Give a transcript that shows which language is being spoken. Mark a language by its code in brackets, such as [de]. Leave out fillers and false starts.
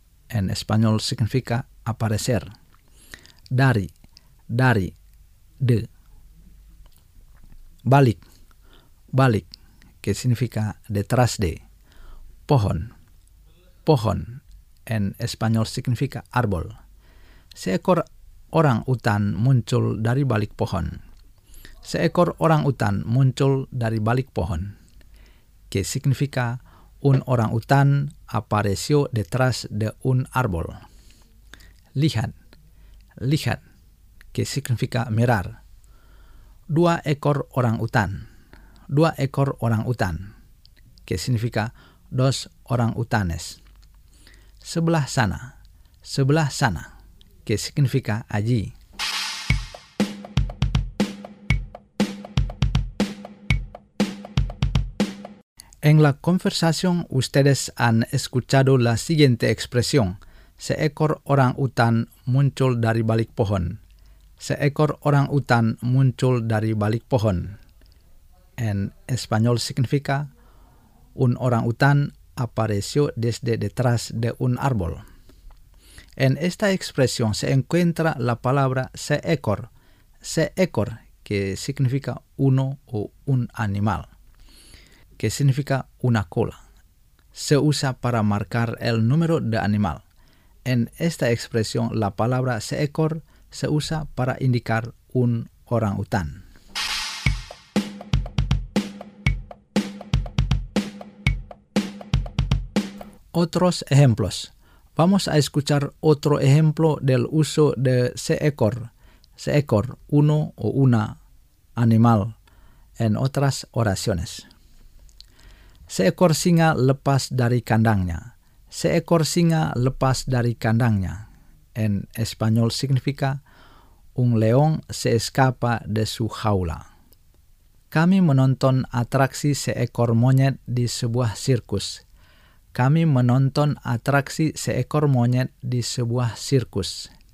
[es] En español significa aparecer. [id] Dari, dari, [es] de. [id] Balik, balik, [es] que significa detrás de. [id] Pohon, pohon, [es] en español significa árbol. [id] Seekor orang utan muncul dari balik pohon. Seekor orang utan muncul dari balik pohon, [es] que significa un orang utan apareció detrás de un árbol. [id] Lihat, lihat, [es] que significa mirar. [id] Dua ekor orang utan. Dua ekor orang utan, [es] que significa dos orang utanes. [id] Sebelah sana. Sebelah sana, [es] que significa allí. En la conversación, ustedes han escuchado la siguiente expresión. [id] Seekor orang utan muncul dari balik pohon. Seekor orang utan muncul dari balik pohon. [es] En español significa un orang utan apareció desde detrás de un árbol. En esta expresión se encuentra la palabra seekor. Seekor, que significa uno o un animal, que significa una cola. Se usa para marcar el número de animal. En esta expresión, la palabra seekor se usa para indicar un orangután. Otros ejemplos. Vamos a escuchar otro ejemplo del uso de seekor. Seekor, uno o una animal, en otras oraciones. [id] Seekor singa lepas dari kandangnya. Seekor singa lepas dari kandangnya. [es] En español significa un león se escapa de su jaula. [id] Kami menonton atraksi seekor monyet di sebuah sirkus. Kami menonton atraksi seekor monyet di sebuah sirkus.